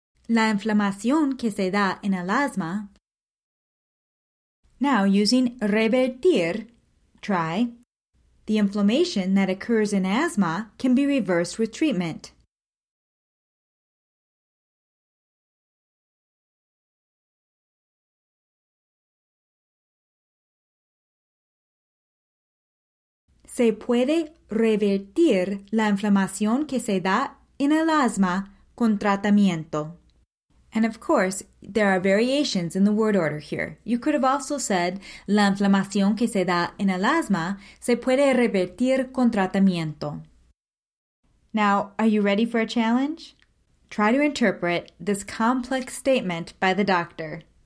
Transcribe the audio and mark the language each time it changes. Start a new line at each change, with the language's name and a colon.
Spanish: La inflamación que se da en el asma.
English: Now, using revertir, try. The inflammation that occurs in asthma can be reversed with treatment.
Spanish: Se puede revertir la inflamación que se da en el asma con tratamiento.
English: And of course, there are variations in the word order here. You could have also said,
Spanish: la inflamación que se da en el asma se puede revertir con tratamiento.
English: Now, are you ready for a challenge? Try to interpret this complex statement by the doctor.